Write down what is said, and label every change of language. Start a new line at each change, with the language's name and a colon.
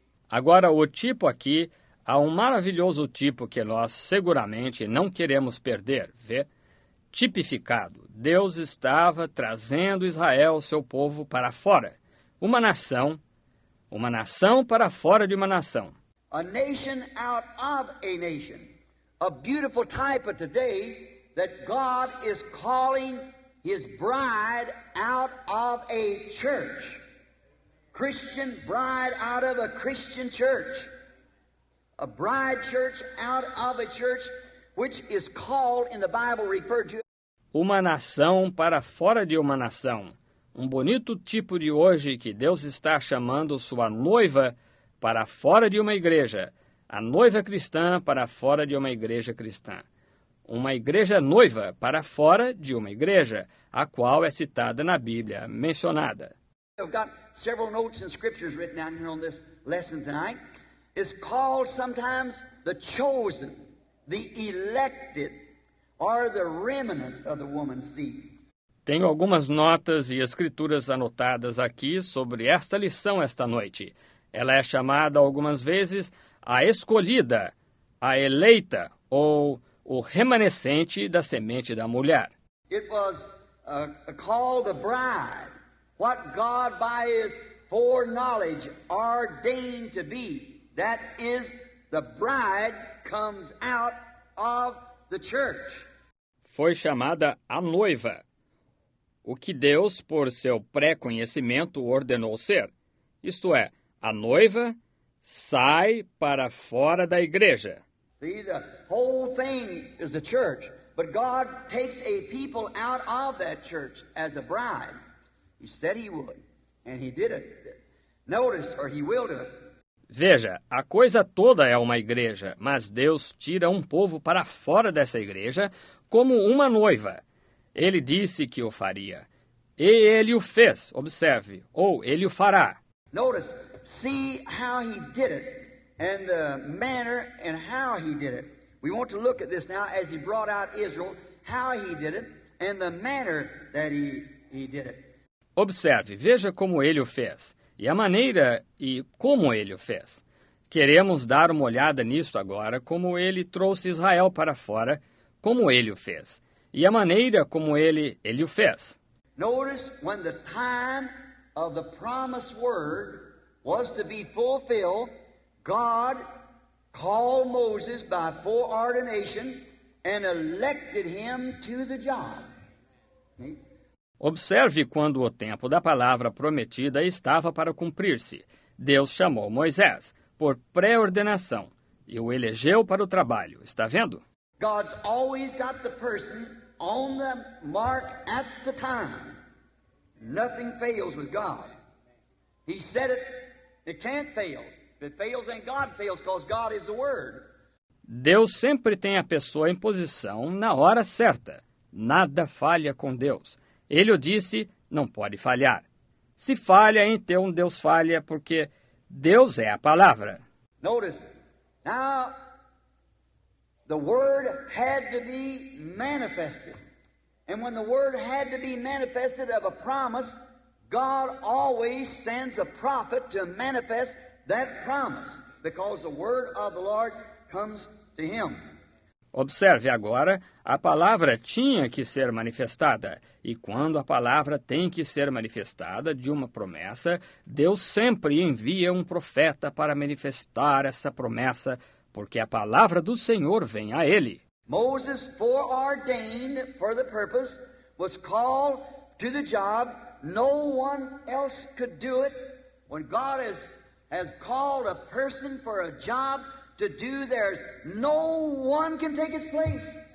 Portuguese: Agora, o tipo aqui, há um maravilhoso tipo que nós seguramente não queremos perder, vê? tipificado. Deus estava trazendo Israel, seu povo, para fora. Uma nação para fora de uma nação.
English: A nation out of a nation. A beautiful type of today that God is calling his bride out of a church. Christian bride out of a Christian church. A bride church out of a church which is called in the Bible referred to.
Portuguese: Uma nação para fora de uma nação. Um bonito tipo de hoje que Deus está chamando sua noiva para fora de uma igreja. A noiva cristã para fora de uma igreja cristã. Uma igreja noiva para fora de uma igreja, a qual é citada na Bíblia, mencionada.
English: I've got several notes and scriptures written down here on this lesson tonight. It's called sometimes the chosen, the elected, or the remnant of the woman's seed.
Portuguese: Tenho algumas notas e escrituras anotadas aqui sobre esta lição esta noite. Ela é chamada algumas vezes a escolhida, a eleita ou o remanescente da semente da mulher.
English: It was called the bride, what God by his foreknowledge ordained to be. That is, the bride comes out of the church.
Portuguese: Foi chamada a noiva, o que Deus, por seu pré-conhecimento, ordenou ser. Isto é, a noiva sai para fora da igreja.
English: See, the whole thing is a church, but God takes a people out of that church as a bride. He said he would, and he did it. Notice, or he will do it.
Portuguese: Veja, a coisa toda é uma igreja, mas Deus tira um povo para fora dessa igreja como uma noiva. Ele disse que o faria. E ele o fez, observe, ou ele o fará.
English: Notice, see how he did it and the manner and how he did it. We want to look at this now as he brought out Israel, how he did it and the manner that he did it.
Portuguese: Observe, veja como ele o fez e a maneira e como ele o fez. Queremos dar uma olhada nisso agora, como ele trouxe Israel para fora, como ele o fez. E a maneira como ele o fez.
English: Notice when the time of the promised word was to be fulfilled, God called Moses by foreordination and elected him to the job.
Portuguese: Observe quando o tempo da palavra prometida estava para cumprir-se. Deus chamou Moisés por pré-ordenação e o elegeu para o trabalho. Está vendo?
English: God's always got the person on the mark at the time. Nothing fails with God. He said it, it can't fail. If it fails, then God fails, because God is the Word.
Portuguese: Deus sempre tem a pessoa em posição na hora certa. Nada falha com Deus. Ele o disse, não pode falhar. Se falha, então Deus falha, porque Deus é a palavra.
English: Notice, now the word had to be manifested. And when the word had to be manifested of a promise, God always sends a prophet to manifest that promise, because the word of the Lord comes to him.
Portuguese: Observe agora, a palavra tinha que ser manifestada, e quando a palavra tem que ser manifestada de uma promessa, Deus sempre envia um profeta para manifestar essa promessa, porque a palavra do Senhor vem a ele.
English: Moses, foreordained for the purpose, was called to the job. No one else could do it. When God has called a person for a job to do theirs, no one can take its place.